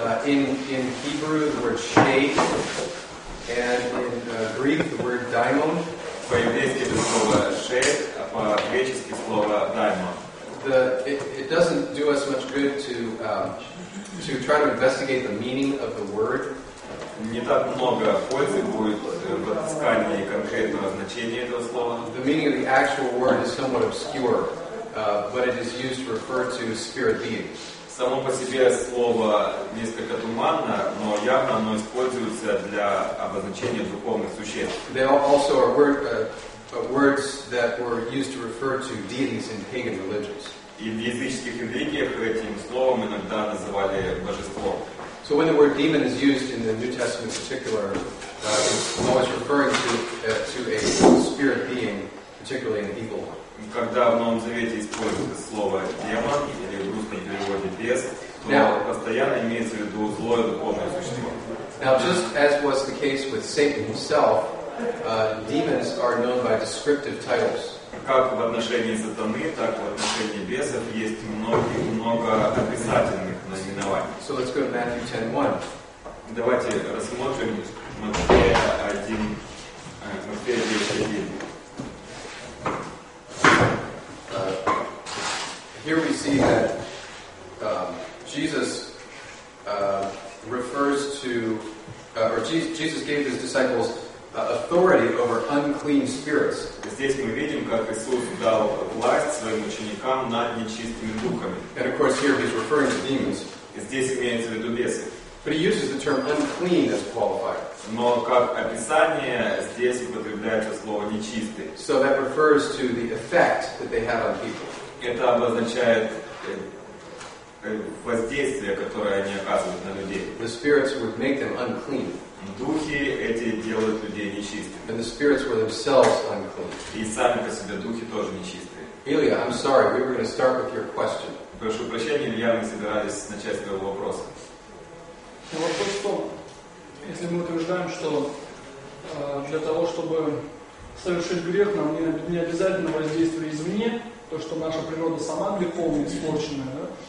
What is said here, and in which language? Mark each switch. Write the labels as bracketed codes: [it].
[en] In Hebrew, the word shade, and in Greek, the word daimon. [ru] По-еврейски это слово шейд, а по-гречески слово даймон. [en] It doesn't do us much good to try to investigate the meaning of the word. [ru] Не так много пользы будет в отыскании конкретного значения этого слова. [en] The meaning of the actual word is somewhat obscure, but it is used to refer to spirit beings. [ru] Само по себе слово несколько туманно, но явно оно используется для обозначения духовных существ. [en] They also are words that were used to refer to deities in pagan religions. [ru] И в языческих религиях этим словом иногда называли божество. [en] So when the word demon is used in the New Testament in particular, it's always referring to a spirit being, particularly an evil one. [ru] Когда в Новом Завете используется слово демон или в русском переводе бес, то постоянно имеется в виду злое духовное существо. [en] Now, just as was the case with Satan himself, demons are known by descriptive titles. [ru] Как в отношении сатаны, так и в отношении бесов есть много описательных наименований. [en] So let's go to Matthew 10:1. [ru] Давайте рассмотрим Матфея 10:1. [en] Here we see that Jesus refers to, or Jesus gave his disciples authority over unclean spirits. [ru] Здесь мы видим, как Иисус дал власть своим ученикам над нечистыми духами. [en] And of course, here he's referring to demons. [ru] Здесь имеется в виду бесы. [en] But he uses the term unclean as a qualifier. [ru] Но как описание здесь употребляется слово нечистый. [en] So that refers to the effect that they have on people. [ru] Это обозначает воздействие, которое они оказывают на людей. [en] The spirits would make them unclean. [ru] Духи эти делают людей нечистыми. [en] And the spirits were themselves unclean. [ru] И сами по себе духи тоже нечистые. [en] Илья, I'm sorry, we were going to start with your question. [ru] Прошу прощения, Илья, мы собирались начать с твоего вопроса. Вопрос в том, если мы утверждаем, что для того, чтобы совершить грех, нам не обязательно воздействие извне, то, что наша природа сама греховная, испорченная, да?